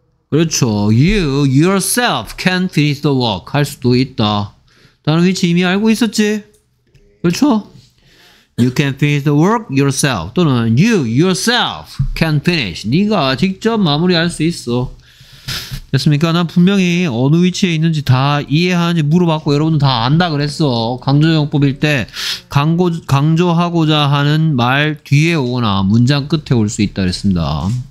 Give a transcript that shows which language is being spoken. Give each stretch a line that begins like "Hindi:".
Korean: 그렇죠.
English: You yourself can finish the work
Korean: 할 수도 있다. 다른 위치 이미 알고 있었지? 그렇죠?
English: You can finish the work yourself
Korean: 또는
English: you yourself can finish.
Korean: 네가 직접 마무리할 수 있어. 됐습니까? 난 분명히 어느 위치에 있는지 다 이해하는지 물어봤고 여러분들 다 안다 그랬어. 강조용법일 때 강조하고자 하는 말 뒤에 오거나 문장 끝에 올 수 있다 그랬습니다.